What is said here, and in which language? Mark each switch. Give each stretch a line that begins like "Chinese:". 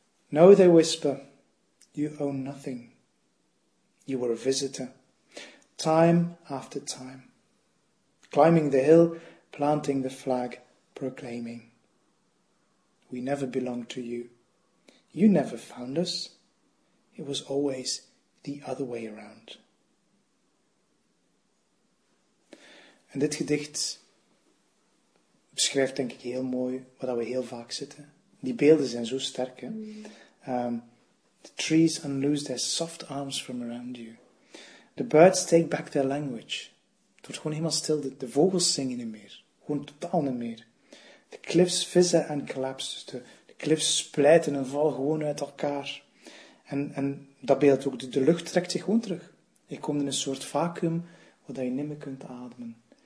English: No, they whisper, you own nothing. You were a visitor, time after time. Climbing the hill, planting the flag, proclaiming. We never belonged to you. You never found us. It was always the other way around.
Dutch: En dit gedicht beschrijft denk ik heel mooi waar we heel vaak zitten. Die beelden zijn zo sterk. Hè?
English: The trees unloose their soft arms from around you. The birds take back their language.
Dutch: Het wordt gewoon helemaal stil. De vogels zingen niet meer. Gewoon totaal niet meer.
English: The cliffs fissure and collapse.
Dutch: Dus de cliffs splijten en vallen gewoon uit elkaar. En dat beeld ook, de lucht trekt zich gewoon terug. Je komt in een soort vacuüm waar je niet meer kunt ademen.